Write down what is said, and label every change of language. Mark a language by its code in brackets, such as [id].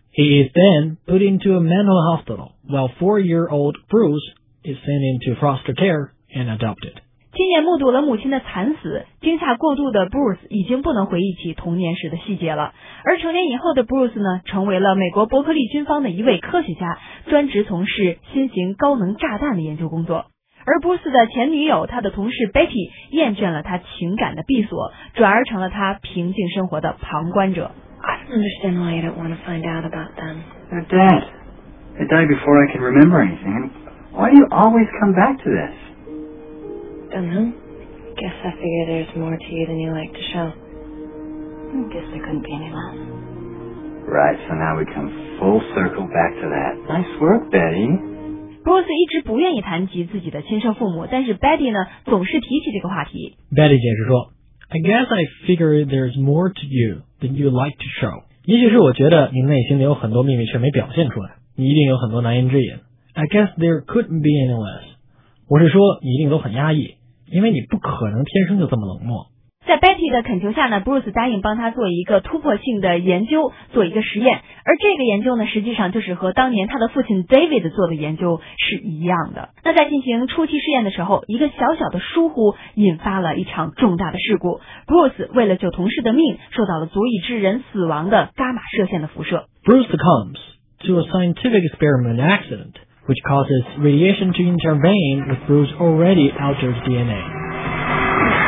[en] He is then put into a mental hospital, while 4-year-old Bruce is sent into foster care and adopted. [zh] 亲眼目睹了母亲的惨死，惊吓过度的 Bruce 已经不能回忆起童年时的细节了。而成年以后的 Bruce 呢，成为了美国伯克利军方的一位科学家，专职从事新型高能炸弹的研究工作。而 Bruce 的前女友，他的同事 Betty 厌倦了他情感的闭锁，转而成了他平静生活的旁观者。 [en] I don't understand why you don't want to find out about them. They're dead. They died before I can remember anything. Why do you always come back to this? Don't know. Guess I figure there's more to you than you like to show. Guess there couldn't be any less. Right, so now we come full circle back to that. Nice work, Betty. [zh] Bruce 一直不愿意谈及自己的亲生父母，但是 Betty 呢，总是提起这个话题。 [en] Betty [zh] 解释说 [en] ，I guess I figure there's more to you than you like to show. [zh] 也许是我觉得你内心里有很多秘密却没表现出来，你一定有很多难言之隐。 [en] I guess there couldn't be any less。 [zh] 我是说你一定都很压抑，因为你不可能天生就这么冷漠。在 Betty 的恳求下呢， Bruce 答应帮他做一个突破性的研究，做一个实验。而这个研究呢，实际上就是和当年他的父亲 David 做的研究是一样的。那在进行初期试验的时候，一个小小的疏忽引发了一场重大的事故。 Bruce 为了救同事的命，受到了足以致人死亡的伽马射线的辐射。 [en] Bruce succumbs to a scientific experiment accident which causes radiation to intervene with Bruce's already altered DNA。